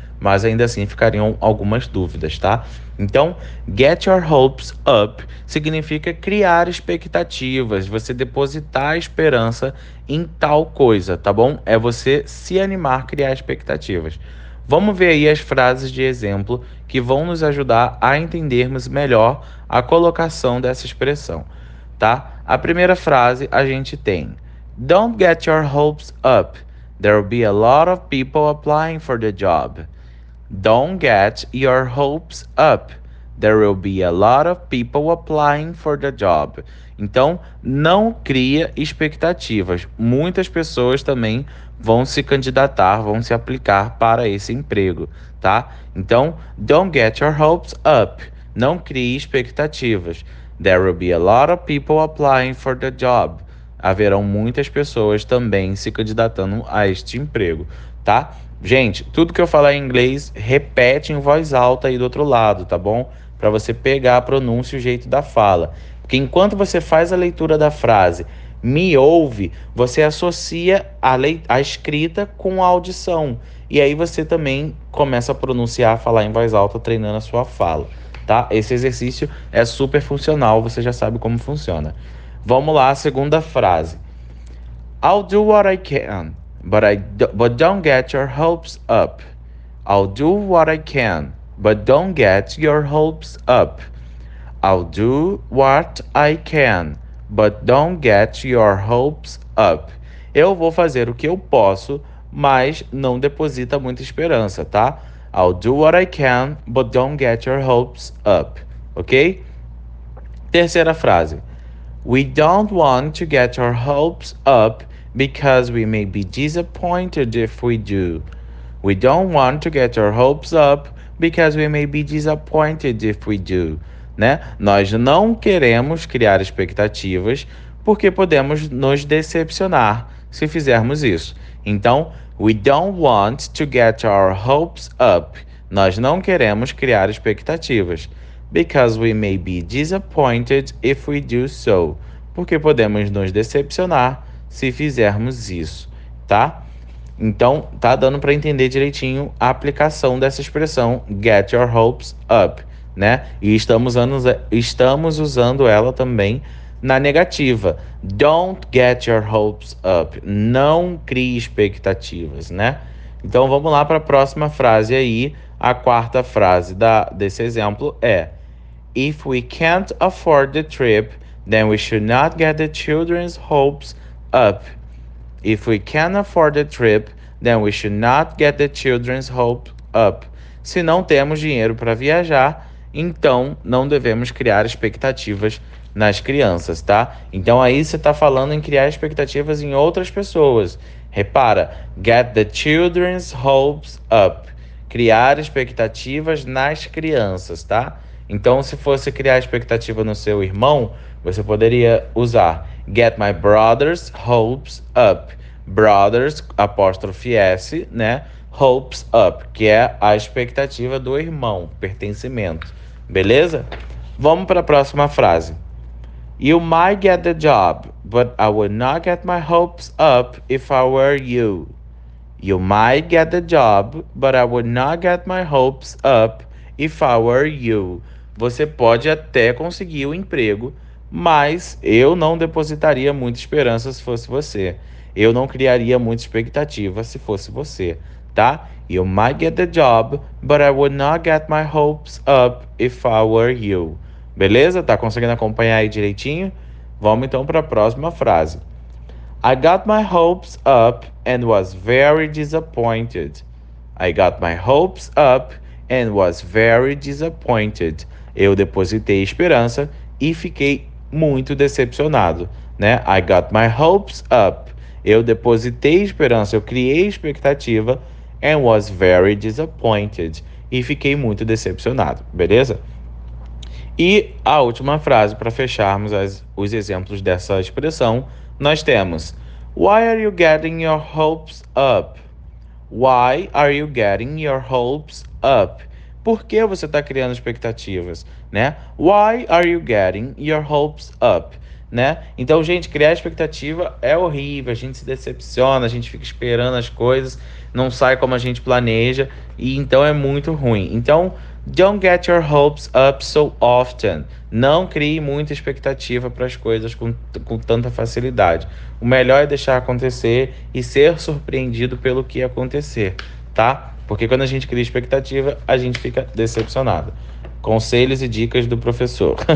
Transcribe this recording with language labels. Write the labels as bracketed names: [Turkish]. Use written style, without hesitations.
[Portuguese] Mas ainda assim ficariam algumas dúvidas, tá? Então, [English] get your hopes up [Portuguese] significa criar expectativas, você depositar a esperança em tal coisa, tá bom? É você se animar, criar expectativas. Vamos ver aí as frases de exemplo que vão nos ajudar a entendermos melhor a colocação dessa expressão, tá? A primeira frase a gente tem: [English] don't get your hopes up. There'll be a lot of people applying for the job. Don't get your hopes up. There will be a lot of people applying for the job. [Portuguese] Então, não cria expectativas. Muitas pessoas também vão se candidatar, vão se aplicar para esse emprego, tá? [English] Então, don't get your hopes up. [Portuguese] Não crie expectativas. [English] There will be a lot of people applying for the job. [Portuguese] Haverão muitas pessoas também se candidatando a este emprego, tá? Gente, tudo que eu falar em inglês, repete em voz alta aí do outro lado, tá bom? Para você pegar a pronúncia e o jeito da fala. Porque enquanto você faz a leitura da frase, me ouve, você associa a escrita com a audição. E aí você também começa a pronunciar, a falar em voz alta, treinando a sua fala, tá? Esse exercício é super funcional, você já sabe como funciona. Vamos lá, a segunda frase. [English] I'll do what I can. But don't get your hopes up. I'll do what I can, but don't get your hopes up. I'll do what I can, but don't get your hopes up. [Portuguese] Eu vou fazer o que eu posso, mas não deposita muita esperança, tá? [English] I'll do what I can, but don't get your hopes up. Ok? [Portuguese] Terceira frase. [English] We don't want to get our hopes up. Because we may be disappointed if we do. We don't want to get our hopes up because we may be disappointed if we do. [Portuguese] Né? Nós não queremos criar expectativas porque podemos nos decepcionar se fizermos isso. Então, [English] we don't want to get our hopes up. [Portuguese] Nós não queremos criar expectativas. [English] Because we may be disappointed if we do so. [Portuguese] Porque podemos nos decepcionar se fizermos isso, tá? Então, tá dando para entender direitinho a aplicação dessa expressão [English] get your hopes up, [Portuguese] né? E estamos usando ela também na negativa. [English] Don't get your hopes up. [Portuguese] Não crie expectativas, né? Então, vamos lá para a próxima frase aí. A quarta frase desse exemplo é: [English] If we can't afford the trip, then we should not get the children's hopes up. If we can't afford the trip, then we should not get the children's hope up. [Portuguese] Se não temos dinheiro para viajar, então não devemos criar expectativas nas crianças, tá? Então aí você tá falando em criar expectativas em outras pessoas. Repara, [English] get the children's hopes up. [Portuguese] Criar expectativas nas crianças, tá? Então, se fosse criar expectativa no seu irmão, você poderia usar [English] get my brother's hopes up. [Portuguese] Brothers, apóstrofe S, né? Hopes up, que é a expectativa do irmão, pertencimento. Beleza? Vamos para a próxima frase. [English] You might get the job, but I would not get my hopes up if I were you. You might get the job, but I would not get my hopes up if I were you. [Portuguese] Você pode até conseguir o emprego, mas eu não depositaria muita esperança se fosse você. Eu não criaria muita expectativa se fosse você, tá? [English] You might get the job, but I would not get my hopes up if I were you. [Portuguese] Beleza? Tá conseguindo acompanhar aí direitinho? Vamos então para a próxima frase. [English] I got my hopes up and was very disappointed. I got my hopes up and was very disappointed. [Portuguese] Eu depositei esperança e fiquei muito decepcionado, né? [English] I got my hopes up. [Portuguese] Eu depositei esperança, eu criei expectativa [English] and was very disappointed. [Portuguese] E fiquei muito decepcionado, beleza? E a última frase para fecharmos os exemplos dessa expressão, nós temos. [English] Why are you getting your hopes up? Why are you getting your hopes up? [Portuguese] Por que você está criando expectativas, né? [English] Why are you getting your hopes up, [Portuguese] né? Então, gente, criar expectativa é horrível, a gente se decepciona, a gente fica esperando as coisas, não sai como a gente planeja, e então é muito ruim. Então, [English] don't get your hopes up so often. [Portuguese] Não crie muita expectativa para as coisas com tanta facilidade. O melhor é deixar acontecer e ser surpreendido pelo que acontecer, tá? Porque quando a gente cria expectativa, a gente fica decepcionado. Conselhos e dicas do professor.